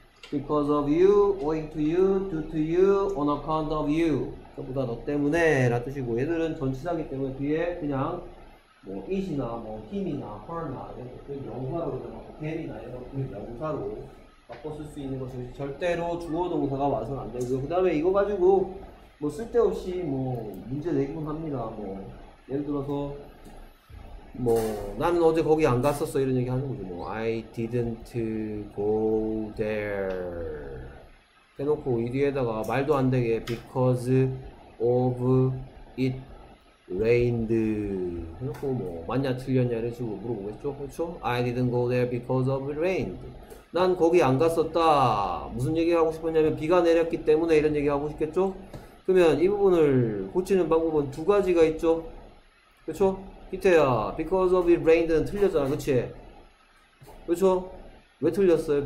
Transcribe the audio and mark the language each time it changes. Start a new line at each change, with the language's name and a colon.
English: Because of you, owing to you, due to you, on account of you.
Korean: 전부 다 너 때문에 라는 뜻이고 얘들은 전치사이기 때문에 뒤에 그냥 뭐 it이나 뭐 him이나 her나 이런 것들 명사로 them이나 이런 것들 명사로 바꿔 쓸 수 있는 것이 절대로 주어 동사가 와서는 안 되고요. 그 다음에 이거 가지고 뭐 쓸데없이 뭐 문제 내기만 합니다. 뭐 예를 들어서 뭐 나는 어제 거기 안 갔었어 이런 얘기 하는 거죠. 뭐
English: I didn't go there
Korean: 해놓고 이 뒤에다가 말도 안 되게
English: because of it rained
Korean: 해놓고 뭐 맞냐 틀렸냐 이런 식으로 물어보겠죠. 그렇죠?
English: I didn't go there because of it rained.
Korean: 난 거기 안 갔었다 무슨 얘기 하고 싶었냐면 비가 내렸기 때문에 이런 얘기 하고 싶겠죠. 그러면 이 부분을 고치는 방법은 두 가지가 있죠. 그렇죠? 히태야,
English: because of it rained
Korean: 는 틀렸잖아, 그치? 그쵸? 왜 틀렸어요?